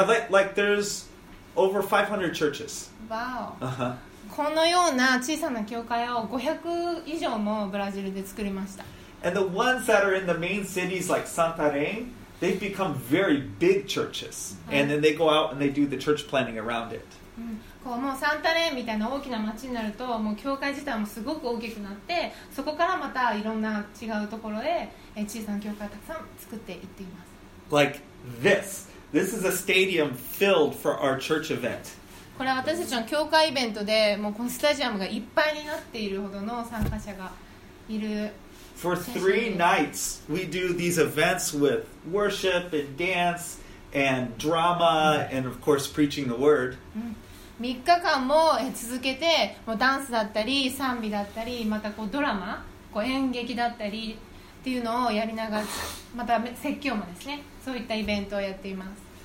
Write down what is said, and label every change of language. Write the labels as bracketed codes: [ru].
[en] Yeah, like there's over 500 churches. Wow. [ja] このような小さな教会を500以上もブラジルで作りました。 [en] And the ones that are in the main cities like Santarém, they've become very big churches. And then they go out and they do the church planning around it. [ja] こうもうサンタレーンみたいな大きな町になると、もう教会自体もすごく大きくなって、そこからまたいろんな違うところで小さな教会をたくさん作っていっています。 [en] Like this. This is a stadium filled for our church event. [ja] これは私たちの教会イベントで、もうこのスタジアムがいっぱいになっているほどの参加者がいる。 [en] For three nights, we do these events with worship and dance and drama and of course preaching the word. [ja] 3日間も続けて、もうダンスだったり賛美だったり、またこうドラマ、こう演劇だったりっていうのをやりながら、また説教もですね、そういったイベントをやっています。